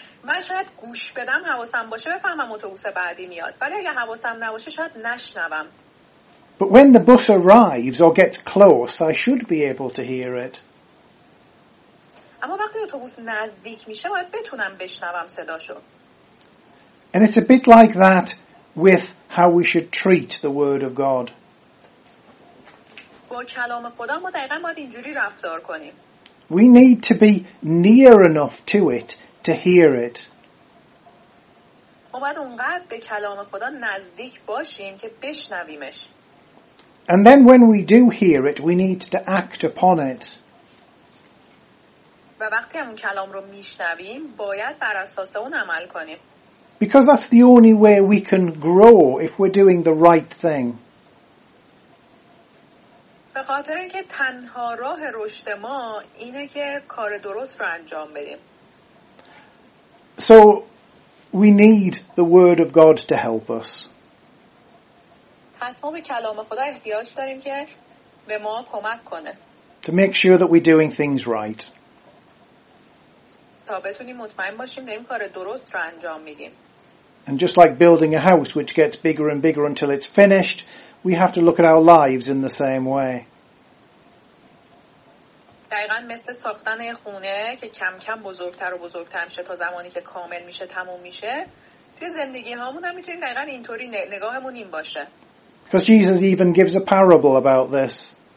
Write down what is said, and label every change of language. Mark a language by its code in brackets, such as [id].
[fa] من شاید گوش بدم حواسم باشه بفهمم اتوبوس بعدی میاد. ولی اگه حواسم نباشه شاید نشنوم. [en] But when the bus arrives or gets close, I should be able to hear it. [fa] اما وقتی اتوبوس نزدیک میشه باید بتونم بشنوم صداشو. [en] And it's a bit like that with how we should treat the word of God. [fa] با کلام خدا ما دقیقاً باید اینجوری رفتار کنیم. [en] We need to be near enough to it to hear it. [fa] ما باید اونقدر به کلام خدا نزدیک باشیم که بشنویمش. [en] And then when we do hear it, we need to act upon it. [fa] و وقتی همون کلام رو میشنویم، باید بر اساس اون عمل کنیم. [en] Because that's the only way we can grow if we're doing the right thing. [fa] به خاطر اینکه تنها راه رشد ما اینه که کار درست رو انجام بدیم. [en] So we need the word of God to help us. [fa] پس ما به کلام خدا احتیاج داریم که به ما کمک کنه. [en] To make sure that we're doing things right. [fa] تا بتونیم مطمئن باشیم داریم کار درست رو انجام میدیم. [en] And just like building a house which gets bigger and bigger until it's finished, we have to look at our lives in the same way. [fa] دقیقاً مثل ساختن خونه که کم کم بزرگتر و بزرگتر میشه تا زمانی که کامل میشه تموم میشه، توی زندگی هامون هم میتونیم دقیقاً اینطوری نگاهمون این باشه. [en] Because Jesus even gives a parable about this.